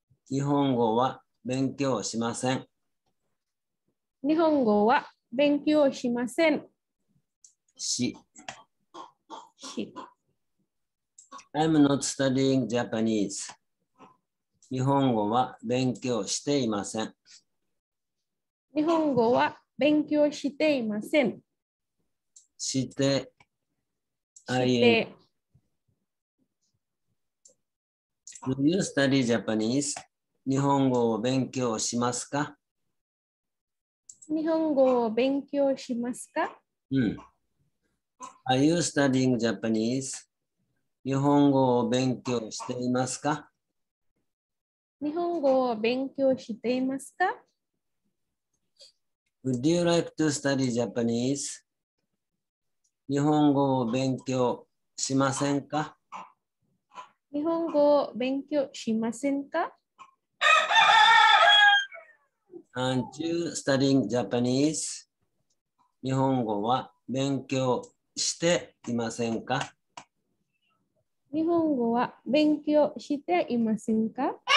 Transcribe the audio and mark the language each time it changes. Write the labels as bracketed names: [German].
[Japanese] 日本語は勉強しません。日本語は勉強しません。し。し。 [English] I'm not studying Japanese. [Japanese] 日本語は勉強していません。日本語は勉強していません。して、して。 [English] Do you study Japanese? [Japanese] 日本語を勉強しますか？日本語を勉強しますか？うん。 [English] Are you studying Japanese? [Japanese] 日本語を勉強していますか？日本語を勉強していますか？ [English] Would you like to study Japanese? [Japanese] 日本語を勉強しませんか？日本語を勉強しませんか？ [English] Aren't you studying Japanese? [Japanese] 日本語は勉強していませんか？日本語は勉強していませんか？